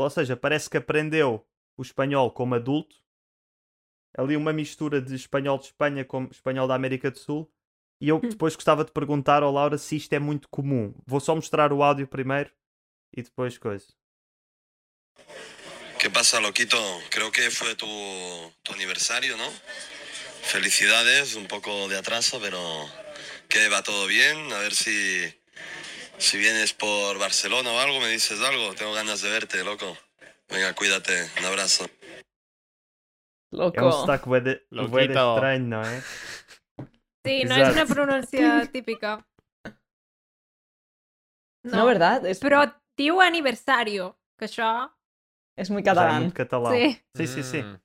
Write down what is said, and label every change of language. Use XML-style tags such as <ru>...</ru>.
<pt>Ou seja, parece que aprendeu o espanhol como adulto. Ali uma mistura de espanhol de Espanha com espanhol da América do Sul. E eu depois gostava de perguntar ao Laura se isto é muito comum. Vou só mostrar o áudio primeiro e depois coisa.</pt> <es>¿Qué pasa, loquito? Creo que fue tu aniversario, ¿no? Felicidades, un poco de atraso, pero que va todo bien. A ver si vienes por Barcelona o algo, me dices algo. Tengo ganas de verte, loco. Venga, cuídate. Un abrazo. Loco.</es> <pt>É um sotaque bué de estranho, não é? Sim, sí, não é uma pronúncia típica. Não, verdade? Pero teu aniversário, que já... É muito catalão. É muito catalão. Sim, sim, sim.</pt>